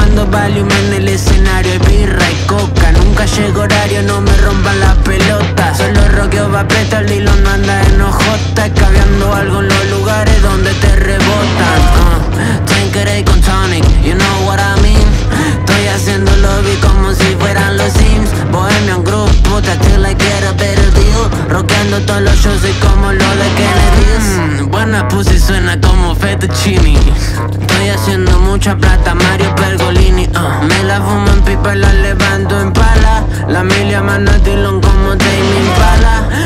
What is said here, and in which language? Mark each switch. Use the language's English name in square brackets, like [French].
[Spanish] Valium en el escenario, es birra y coca. Nunca llego horario, no me rompan la pelota. Solo roqueo va preto, el hilo no anda en OJ. Cabeando algo en los lugares donde te rebotan. Tanqueray con tonic, [English] you know what I mean. [Spanish] Estoy haciendo lobby como si fueran los Sims. [English] Bohemian group, puta, still I get a better deal. [Spanish] Roqueando todos los shows, soy como lo de Kennedy. Buena pussy, suena como fettuccini. Estoy haciendo mucha plata, Mario Pergolini. Me la fumo en pipa y la levanto en pala. La milia mano a Dylan como Damien Pala.